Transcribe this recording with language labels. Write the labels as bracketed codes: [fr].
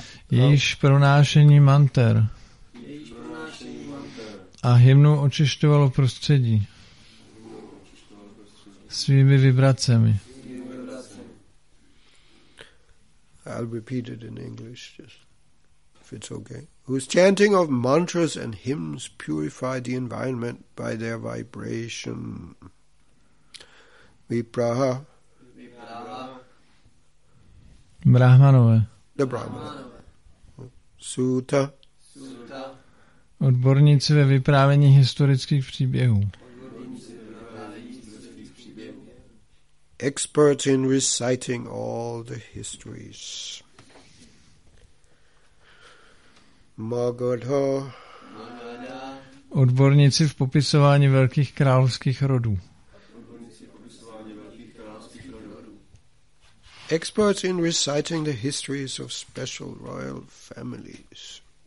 [cs] Již pronášení manter a hymnu očišťovalo prostředí svými vibracemi. [en] I'll repeat it in English, just if it's okay. Whose chanting of mantras and hymns purify the environment by their vibration. [sa] Vipraha. [cs] Brahmanové. [en] The Brahmanové. Sutta. [cs] Odborníci ve vyprávění historických příběhů. [en] Experts in reciting all the histories. [sa] Magadha. [cs] Odborníci v popisování velkých královských rodů. [en] Experts in reciting the histories of special royal families.